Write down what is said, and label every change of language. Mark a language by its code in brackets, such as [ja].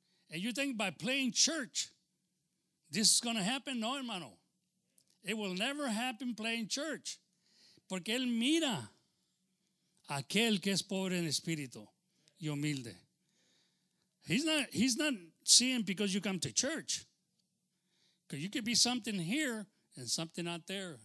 [en] And you think by playing church, this is going to happen? [es] No, hermano. [en] It will never happen playing church. [es] Porque él mira aquel que es pobre en espíritu y humilde. [en] He's not seeing because you come to church. Because you could be something here and something out there.